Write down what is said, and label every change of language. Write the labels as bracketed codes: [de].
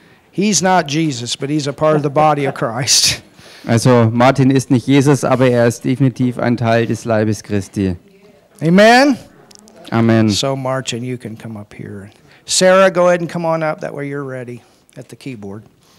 [en] He's not Jesus, but he's a part of the body of Christ. [de] Also, Martin ist nicht Jesus, aber er ist definitiv ein Teil des Leibes Christi. Amen. Amen. [en] So Martin, you can come up here. Sarah, go ahead and come on up. That way you're ready at the keyboard.